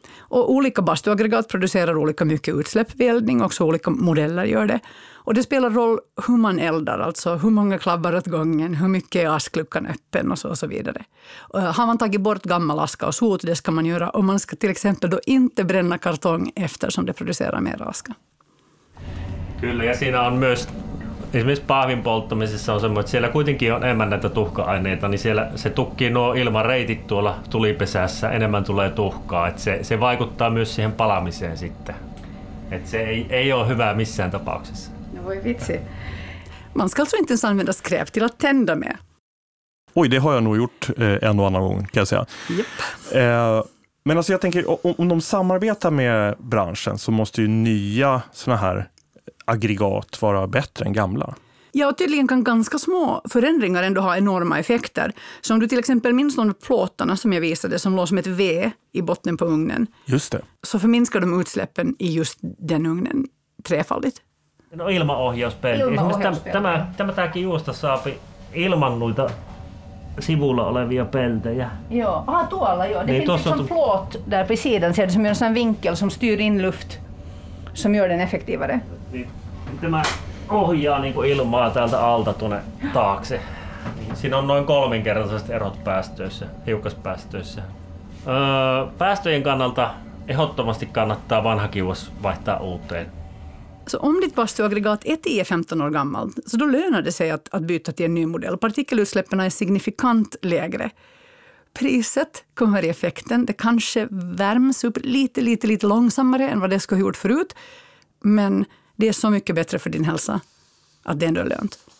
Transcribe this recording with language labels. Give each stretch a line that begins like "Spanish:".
Swedish: Och olika bastuaggregat producerar olika mycket utsläpp vid eldning, också olika modeller gör det. Och det spelar roll hur man eldar, alltså hur många klabbar åt gången, hur mycket är askluckan öppen och så vidare. Och har man tagit bort gammal aska och sot, det ska man göra. Och man ska till exempel då inte bränna kartong eftersom det producerar mer aska.
Finnish: Kyllä, ja siinä on myös esimerkiksi pahvin polttamisessa on semmoinen, että siellä kuitenkin on enemmän näitä tuhka-aineita, niin siellä se tukkii nuo ilmareitit tuolla tulipesässä, enemmän tulee tuhkaa. Että se vaikuttaa myös siihen palamiseen sitten. Että se ei ole hyvää missään tapauksessa. No voi vitsi.
Swedish: Man ska alltså inte ens använda skräp till att tända med. Oj, det har jag nog gjort en och annan gång, kan jag säga. Japp. Men alltså jag tänker, om de samarbetar med branschen så måste ju nya såna här aggregat vara bättre än gamla. Ja, och tydligen kan ganska små förändringar ändå ha enorma effekter. Så om du till exempel minns de plåtarna som jag visade som låg som ett V i botten på ugnen. Just det. Så förminskar de utsläppen i just den ugnen trefaldigt.
Finnish: No ilmaohjauspeli. Esimerkiksi tämäkin juosta saapi ilman noita sivulla olevia peltejä. Joo, aha tuolla joo.
Swedish: Det niin finns en plåt där på sidan, så det som gör en sån vinkel som styr in luft, som gör den effektivare.
Finnish: Niin, tämä ohjaa niin kuin ilmaa täältä alta tuonne taakse. Siinä on noin kolminkertaiset erot päästöissä, hiukkaspäästöissä. Päästöjen kannalta ehdottomasti kannattaa vanha kiuas vaihtaa uuteen.
Swedish: Så om ditt bastuaggregat är 10-15 år gammalt, så då lönar det sig att byta till en ny modell. Partikelutsläppen är signifikant lägre. Priset kommer i effekten. Det kanske värms upp lite långsammare än vad det ska ha gjort förut. Men det är så mycket bättre för din hälsa att det ändå är lönt.